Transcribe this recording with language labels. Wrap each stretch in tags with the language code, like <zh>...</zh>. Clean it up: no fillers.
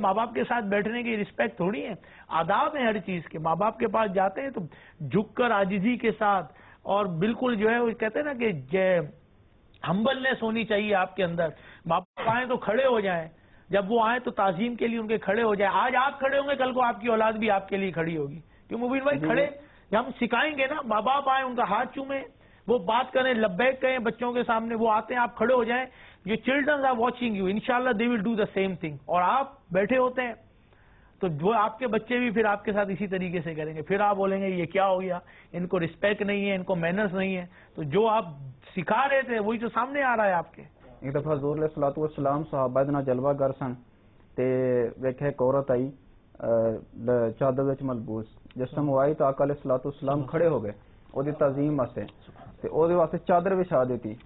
<ur>ماں باپ کے ساتھ بیٹھنے کی رسپیکٹ تھوڑی ہے, آداب ہے ہر چیز کے. ماں باپ کے پاس جاتے ہیں تو جھک کر عاجزی کے ساتھ اور بالکل جو ہے وہ کہتے ہیں نا کہ ہمبلنس ہونی چاہیے آپ کے اندر. ماں باپ آئیں تو کھڑے ہو جائیں, جب وہ آئیں تو تعظیم کے لیے ان کے کھڑے ہو جائیں. آج آپ کھڑے ہوں گے کل کو آپ کی اولاد بھی آپ کے لیے کھڑی ہوگی. کیوں مبین بھائی کھڑے ہم سکھائیں گے نا. ماں باپ آئیں ان کا ہاتھ چومیں, وہ بات کریں, لبیک کہیں بچوں کے سامنے, وہ آتے ہیں آپ کھڑے ہو جائیں.</ur> <en>Your children are watching you. Inshallah, they will do the same thing.</en> <ur>اور آپ بیٹھے ہوتے ہیں تو جو آپ کے بچے بھی پھر آپ کے ساتھ اسی طریقے سے کریں گے. پھر آپ بولیں گے یہ کیا ہو گیا, ان کو رسپیکٹ نہیں ہے, ان کو مینرز نہیں ہے. تو جو آپ سکھا رہے تھے وہی تو سامنے آ رہا ہے آپ کے.</ur> <pa>ایک دفعہ حضور علیہ الصلوۃ والسلام صحابہ دے نال جلوہ گھر سن, تے ویکھے ایک عورت آئی چادر وچ ملبوس, جسم ہوائی تو آقا علیہ الصلوۃ والسلام کھڑے ہو گئے وہ دی تعظیم واسطے, تے او دے واسطے چادر وچھا دیتی.</pa>